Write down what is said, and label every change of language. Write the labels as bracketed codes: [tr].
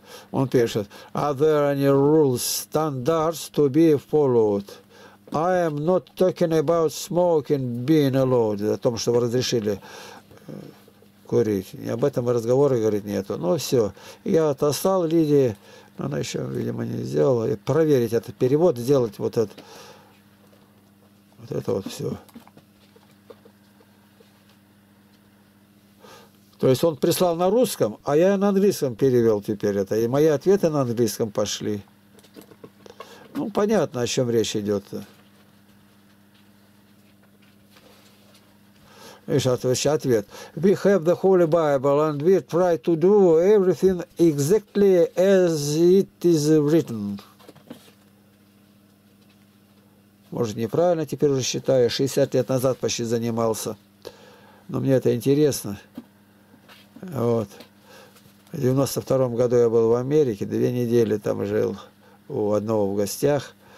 [ru] Он пишет, [en] are there any rules, standards to be followed? I am not talking about smoking, being allowed, [ru] о том, что вы разрешили курить. И об этом и разговора говорить нету. Ну все, я отослал Лидии, но она еще, видимо, не сделала, и проверить этот перевод, сделать вот это все. То есть он прислал на русском, а я на английском перевел теперь это. И мои ответы на английском пошли. Ну, понятно, о чем речь идет-то. Видишь, ответ. [en] We have the Holy Bible, and we try to do everything exactly as it is written. [ru] Может, неправильно теперь уже считаю. 60 лет назад почти занимался. Но мне это интересно. Вот. В 92-м году я был в Америке, 2 недели там жил у одного в гостях.